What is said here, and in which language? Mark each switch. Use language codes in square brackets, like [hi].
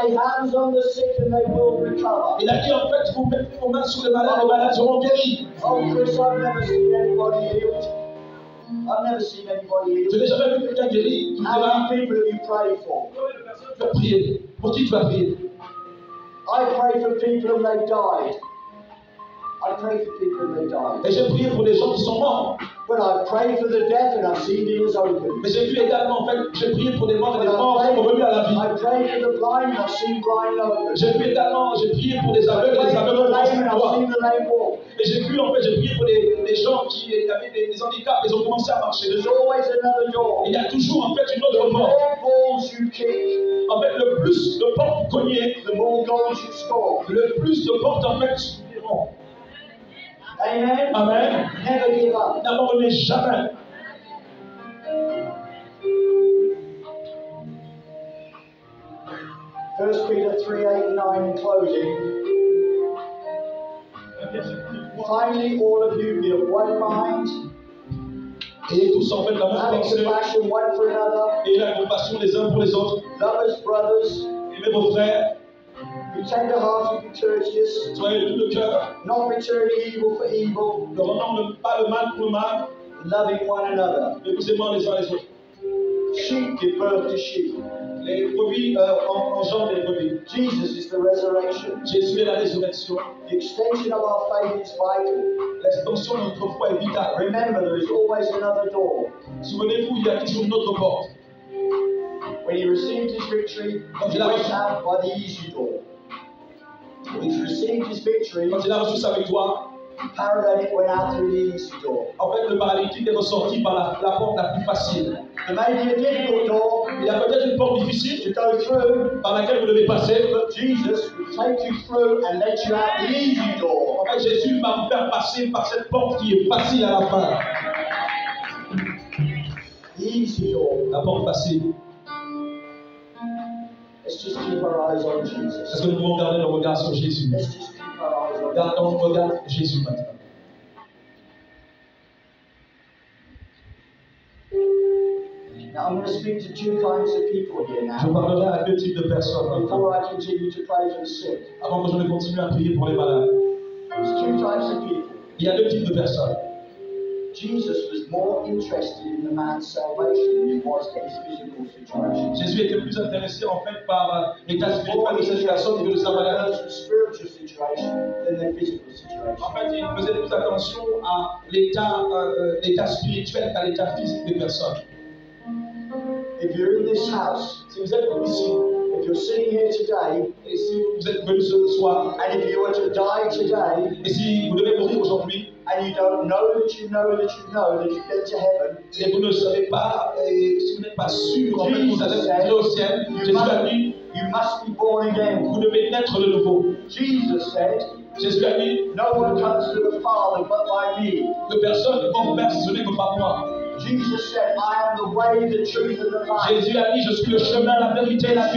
[en] lay hands on the sick and they will recover. [fr] Il a dit en fait, vous mettez vos mains sur les malades seront guéris. [en] Oh, Chris, I've never seen anybody healed. I've never seen anybody healed. [fr] Je n'ai jamais vu quelqu'un guéri. [en] How many people have you prayed for? [fr] Tu as prié. Pour qui tu as prié? [en] I pray for people and they've died. I pray for people and they died. [fr] Et j'ai prié pour des gens qui sont morts. [en] But I pray for the deaf and I've seen ears open. [fr] Mais j'ai vu également, en fait, j'ai prié pour des morts et des morts sont revenus à la vie. [en] I pray for the blind and I've seen blind open. [fr] J'ai vu également, j'ai prié pour des aveugles et des aveugles ont commencé à voir. Et j'ai vu, en fait, j'ai prié pour des gens qui avaient des handicaps, ils ont commencé à marcher. [en] There's always another door. [fr] Il y a toujours, en fait, une autre mort. [en] The more balls you kick, [fr] en fait, le plus de portes cognées, [en] the more goals you score. [fr] Le plus de portes, en fait, suffiront. [en] Amen. Never give up. [fr] N'abandonnez jamais. [en] First Peter 3:8-9 in closing. Finally, all of you be of one mind. [fr] Ayez tous en fait la même pensée. [en] Have compassion one for another. [fr] Ayez la compassion les uns pour les autres. [en] Love as brothers. [fr] Aimez vos frères. [en] Be tender-hearted to churches. [fr] Soyez tout le cœur. [en] Not returning evil for evil. [fr] Ne rendant pas le mal pour le mal. [en] Loving one another. [fr] Ne vous aimant les uns les autres. [en] Sheep give birth to sheep. [fr] Les brebis engendrent les brebis. [en] Jesus is the resurrection. [fr] Jésus est la résurrection. [en] The extension of our faith is vital. [fr] L'extension de notre foi est vitale. [en] Remember, there is always another door. [fr] Souvenez-vous, il y a toujours une autre porte. [en] When he received his victory, [fr] quand [en] he went out by the easy door. When he received his victory, [fr] quand il a reçu sa victoire, [en] the paralytic went out through the easy door. [fr] En fait, le paralytique est ressorti par la porte la plus facile. [en] There may be a difficult door. [fr] Il y a peut-être une porte difficile [en] to go through, [fr] par laquelle vous devez passer. [en] But Jesus will take you through and let you out the easy door. [fr] Et Jésus va vous faire passer par cette porte qui est facile à la fin. [en] Easy door. [fr] La porte facile. [en] Let's just keep our eyes on Jesus. [fr] Est-ce que nous pouvons garder nos regards sur Jésus? [en] Let's just keep our eyes on [fr] Jesus. Gardons regard Jésus maintenant. [en] I'm going to speak to two kinds of people here now. [fr] Je parlerai à deux types de personnes. [en] Before I continue to pray for the sick. [fr] Avant que je ne continue à prier pour les malades. [en] Two types of people. [fr] Il y a deux types de personnes. [en] Jesus was more interested in the man's salvation than he was in his physical situation. [fr] Jésus était plus intéressé en fait par l'état spirituel de sa situation que de sa maladie. [en] The spiritual situation than the physical situation. [fr] En fait, il faisait plus attention à l'état spirituel qu'à l'état physique des personnes. [en] If you're in this house, [fr] si vous êtes ici, [en] if you're sitting here today, [fr] et si vous êtes venu ce soir, [en] and if you were to die today, [fr] et si vous devez mourir aujourd'hui, [en] and you don't know that you know that you know that you get to heaven, [fr] et vous ne savez pas, et si vous n'êtes pas sûr quand même vous allez aller au ciel, Jésus a dit, [en] you must be born again. [fr] Vous devez naître de nouveau. [en] Jesus said, [fr] Jésus a dit, [en] no one comes to the Father but by me. [fr] Que personne ne va au Père si ce n'est que par moi. [en] Jesus said, I am the way, the truth, and the life. [fr] Jésus a dit, je suis le chemin, la vérité, la vie.